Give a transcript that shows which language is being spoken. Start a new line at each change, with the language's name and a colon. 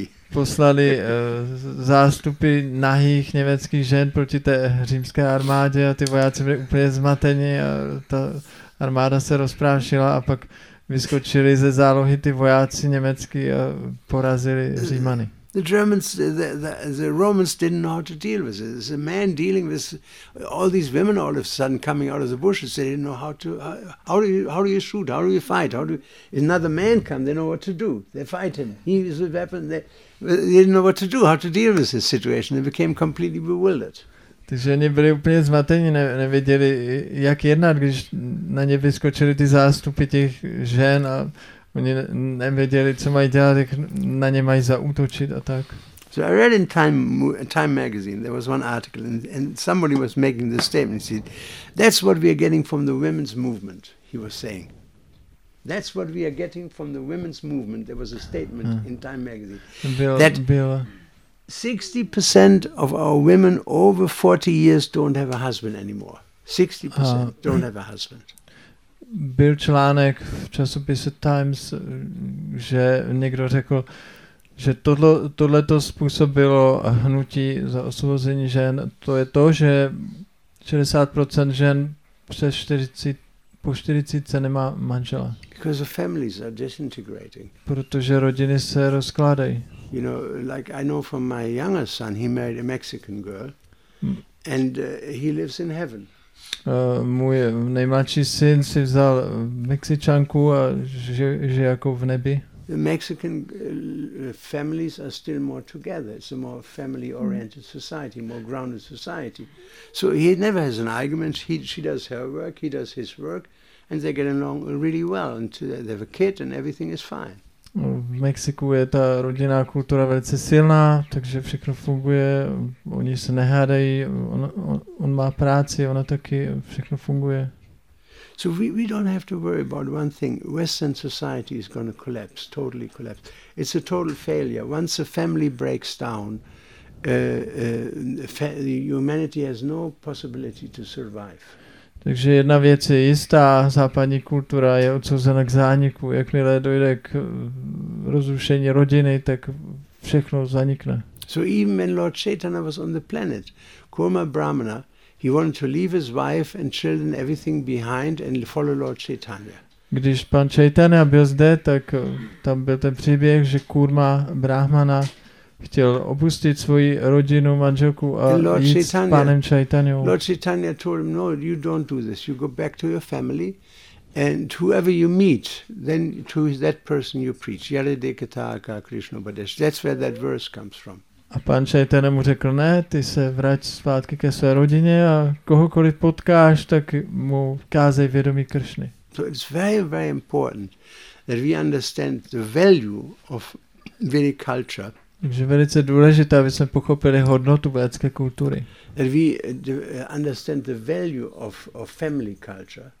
Czech: poslali zástupy nahých německých žen proti té římské armádě, a ty vojáci byli úplně zmateni a ta armáda se rozprášila, a pak vyskočili ze zálohy ty vojáci německý a porazili Římany.
English: The Romans didn't know how to deal with it. There's a man dealing with all these women all of a sudden coming out of the bushes. They didn't know how do you shoot? How do you fight? Another man come, they know what to do. They fight him. He is a weapon. They didn't know what to do, how to deal with this situation. They became completely bewildered.
Czech: Takže oni byli úplně zmateni, nevěděli, jak jednat, když na ně vyskočili ty zástupy těch žen, a Oni nevěděli, co mají dělat, jak na ně mají zaútočit a tak.
English: So I read in Time magazine, there was one article, and somebody was making this statement. He said, that's what we are getting from the women's movement, he was saying. That's what we are getting from the women's movement. There was a statement in Time magazine. Bill. 60% of our women over 40 years don't have a husband anymore. 60% don't have a husband.
Czech: Byl článek v časopise Times, že někdo řekl, že tohle to způsobilo hnutí za osvobození žen. To je to, že 60% žen přes 40, po 40 se nemá manžela.
English: Because the families are disintegrating.
Czech: Protože rodiny se rozkládají.
English: You know, like I know from my younger son, he married a Mexican girl and he lives in heaven.
Czech: Můj nejmladší syn si vzal Mexičanku a žije jako v nebi.
English: The Mexican families are still more together. It's a more family-oriented society, more grounded society. So he never has an argument. She does her work, he does his work, and they get along really well. And they have a kid and everything is fine.
Czech: V Mexiku je ta rodinná kultura velice silná, takže všechno funguje, oni se nehádají, on má práci, ona taky, všechno funguje.
English: So we don't have to worry about one thing. Western society is going to collapse, totally collapse. It's a total failure. Once a family breaks down, the humanity has no possibility to survive.
Czech: Takže jedna věc je jistá, západní kultura je odsouzena k zániku. Jakmile dojde k rozrušení rodiny, tak všechno zanikne.
English: So even when Lord Chaitanya was on the planet, Kurma Brahmana, he wanted to leave his wife and children, everything behind and follow Lord Chaitanya.
Czech: Když pan Chaitanya byl zde, tak tam byl ten příběh, že Kurma Brahmana chtěl opustit svoji rodinu, manželku a jít s panem Chaitanyou.
English: Lord Chaitanya told him, no, you don't do this. You go back to your family and whoever you meet, then to that person you preach.
Bangla: Yare dekata ka Krishna Badesh.
English: That's where that verse comes from.
Czech: A pan Chaitanya mu řekl, ne, ty se vrať zpátky ke své rodině a kohokoliv potkáš, tak mu kázej vědomí Kršny.
English: So it's very, very important that we understand the value of Vedic culture.
Czech: Takže velice důležité, aby jsme pochopili hodnotu vědecké kultury.
English: That we understand the value of family culture.